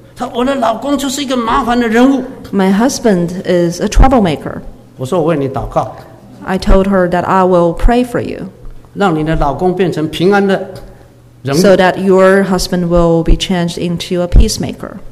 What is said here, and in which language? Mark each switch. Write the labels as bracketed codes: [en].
[zh] 她说我的老公就是一个麻烦的人物。 [en] My husband is a troublemaker. [zh] 我说我为你祷告。 [en] I told her that I will pray for you. [zh] 让你的老公变成平安的人物。 [en] So that your husband will be changed into a peacemaker.